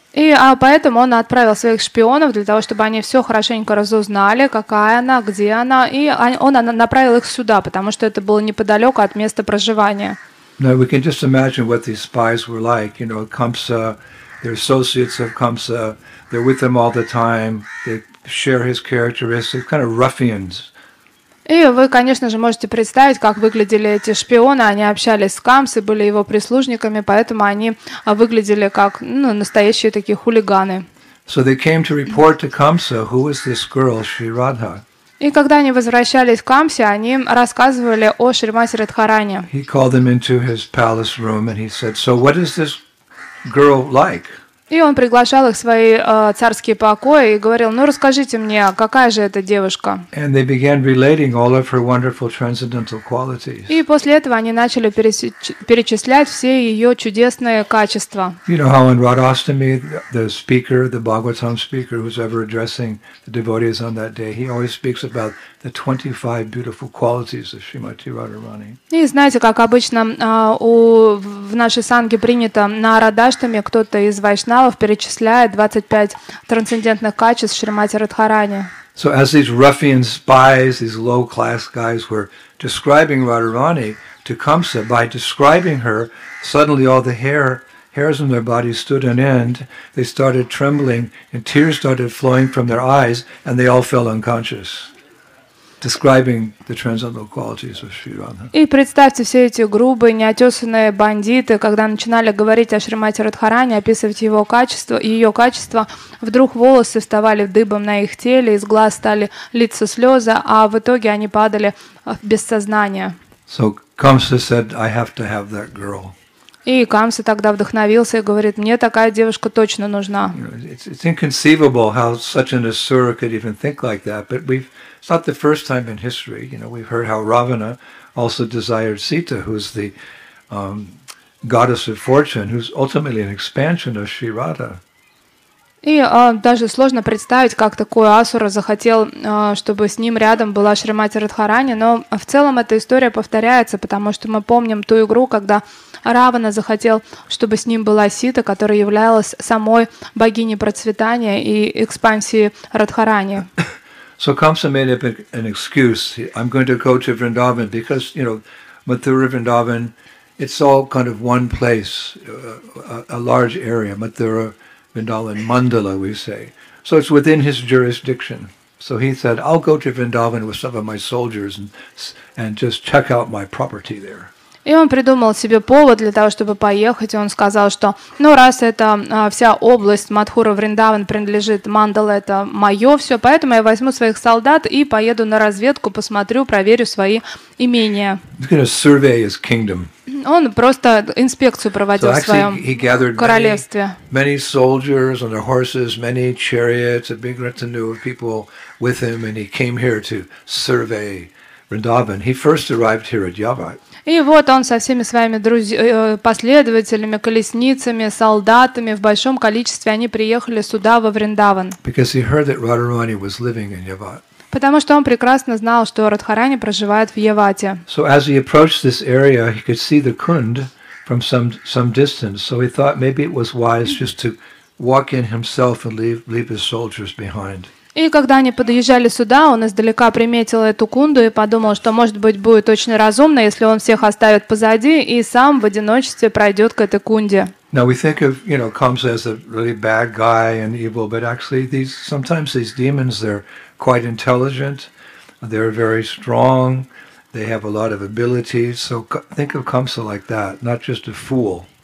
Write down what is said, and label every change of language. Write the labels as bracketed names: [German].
[Russian] И поэтому он отправил своих шпионов для того, чтобы они все хорошенько разузнали, какая она, где она, и он направил их сюда, потому что это было неподалеку от места проживания. [English] Now we can just imagine what these spies were like. You know, Kamsa, they're associates of Kamsa. They're with him all the time. They share his characteristics. Kind of ruffians. [Russian] И вы, конечно же, можете представить, как выглядели эти шпионы. Они общались с Камсой, были его прислужниками, поэтому они выглядели как, ну, настоящие такие хулиганы. [English] So they came to report to Kamsa, who is this girl, Shri Radha. [Russian] И когда они возвращались в Камсе, они рассказывали о Шримати Радхаране. [English] He called them into his palace room and he said, "So what is this girl like?" [Russian] И он приглашал их в свои царские покои и говорил: «Ну, расскажите мне, какая же эта девушка?» [English] And they began relating all of her wonderful transcendental qualities. [Russian] И после этого они начали перечислять все ее чудесные качества. [English] You know how in Radhastami, the speaker, the Bhagavatam speaker, who's ever addressing the devotees on that day, he always speaks about the 25 beautiful qualities of Shrimati Radharani. [Russian] И знаете, как обычно в нашей санге принято на Радаштами кто-то из вайшнавов перечисляет 25 трансцендентных качеств Шримати Радхарани. [English] So as these ruffian spies, these low-class guys were describing Radharani to Kamsa, by describing her, suddenly all the hairs on their bodies stood on end, they started trembling, and tears started flowing from their eyes, and they all fell unconscious. Describing the transcendental qualities of Shri Radha. [Russian] И представьте все эти грубые, неотесанные бандиты, когда начинали говорить о Шримати Радхарани, описывать его качество, ее качество, вдруг волосы вставали дыбом на их теле, из глаз стали литься слезы, а в итоге они падали без сознания. [English] So Kamsa said, "I have to have that girl." [Russian] И Камса тогда вдохновился и говорит: «Мне такая девушка точно нужна». [English] It's inconceivable how such an asura could even think like that, but it's not the first time in history. You know, we've heard how Ravana also desired Sita, who's the goddess of fortune, who's ultimately an expansion of Shri Radha. [Russian] И даже сложно представить, как такой асура захотел, чтобы с ним рядом была Шримати Радхарани, но в целом эта история повторяется, потому что мы помним ту игру, когда Равана захотел, чтобы с ним была Сита, которая являлась самой богиней процветания и экспансии Радхарани. [English] So Kamsa made up an excuse. I'm going to go to Vrindavan because, you know, Mathura, Vrindavan, it's all kind of one place, a large area, Mathura, Vrindavan, Mandala, we say. So it's within his jurisdiction. So he said, I'll go to Vrindavan with some of my soldiers and just check out my property there. [Russian] И он придумал себе повод для того, чтобы поехать, и он сказал, что, ну, раз это вся область Мадхура Вриндаван принадлежит Мандала, это мое все, поэтому я возьму своих солдат и поеду на разведку, посмотрю, проверю свои имения. [English] He's gonna survey his kingdom. [Russian] Он просто инспекцию проводил в своем королевстве. [English] Many soldiers on their horses, many chariots, a big retinue of people with him, and he came here to survey Vrindavan. He first arrived here at Yavat. [Russian] И вот он со всеми своими последователями, колесницами, солдатами в большом количестве, они приехали сюда, во Вриндаван. [English] Because he heard that Radharani was living in Yavat. [Russian] Потому что он прекрасно знал, что Радхарани проживает в Явате. [English] So as he approached this area, he could see the Kund from some distance. So he thought maybe it was wise just to walk in himself and leave his soldiers behind. [Russian] И когда они подъезжали сюда, он издалека приметил эту кунду и подумал, что, может быть, будет очень разумно, если он всех оставит позади и сам в одиночестве пройдет к этой кунде. [English] Now we think of, you know, Kamsa as a really bad guy and evil, but actually sometimes these demons, they're quite intelligent, they're very strong, they have a lot of abilities. So think of Kamsa like that, not just a fool.